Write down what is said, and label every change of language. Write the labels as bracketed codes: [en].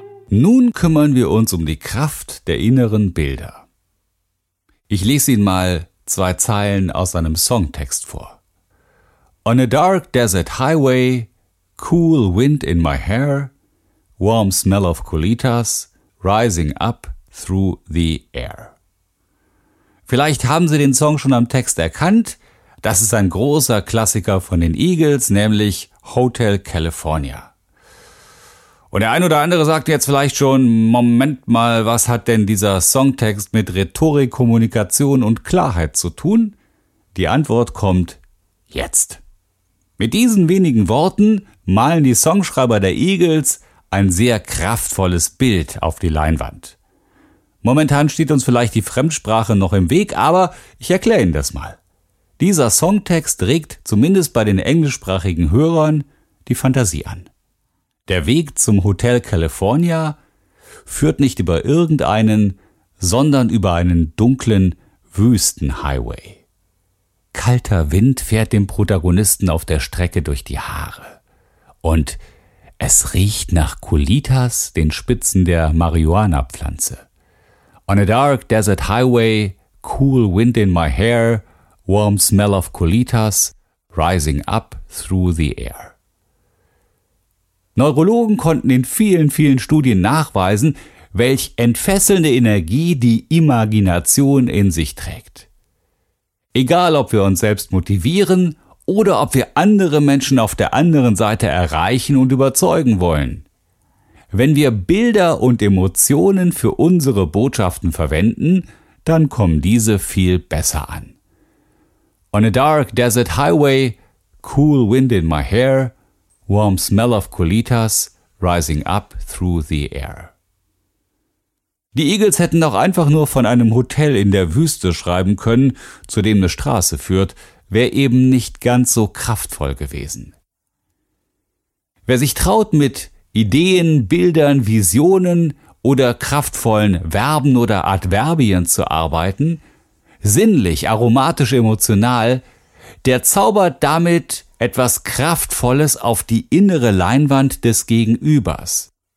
[de] Nun kümmern wir uns um die Kraft der inneren Bilder. Ich lese Ihnen mal zwei Zeilen aus einem Songtext vor. [en] On a dark desert highway, cool wind in my hair, warm smell of colitas, rising up through the air. [de] Vielleicht haben Sie den Song schon am Text erkannt. Das ist ein großer Klassiker von den Eagles, nämlich Hotel California. Und der ein oder andere sagt jetzt vielleicht schon, Moment mal, was hat denn dieser Songtext mit Rhetorik, Kommunikation und Klarheit zu tun? Die Antwort kommt jetzt. Mit diesen wenigen Worten malen die Songschreiber der Eagles ein sehr kraftvolles Bild auf die Leinwand. Momentan steht uns vielleicht die Fremdsprache noch im Weg, aber ich erkläre Ihnen das mal. Dieser Songtext regt zumindest bei den englischsprachigen Hörern die Fantasie an. Der Weg zum Hotel California führt nicht über irgendeinen, sondern über einen dunklen Wüstenhighway. Kalter Wind fährt dem Protagonisten auf der Strecke durch die Haare. Und es riecht nach Colitas, den Spitzen der Marihuana-Pflanze. [en] On a dark desert highway, cool wind in my hair, warm smell of colitas, rising up through the air. [de] Neurologen konnten in vielen, vielen Studien nachweisen, welch entfesselnde Energie die Imagination in sich trägt. Egal, ob wir uns selbst motivieren oder ob wir andere Menschen auf der anderen Seite erreichen und überzeugen wollen. Wenn wir Bilder und Emotionen für unsere Botschaften verwenden, dann kommen diese viel besser an. [en] On a dark desert highway, cool wind in my hair, warm smell of colitas rising up through the air. [de] Die Eagles hätten auch einfach nur von einem Hotel in der Wüste schreiben können, zu dem eine Straße führt, wäre eben nicht ganz so kraftvoll gewesen. Wer sich traut, mit Ideen, Bildern, Visionen oder kraftvollen Verben oder Adverbien zu arbeiten, sinnlich, aromatisch, emotional, der zaubert damit etwas Kraftvolles auf die innere Leinwand des Gegenübers.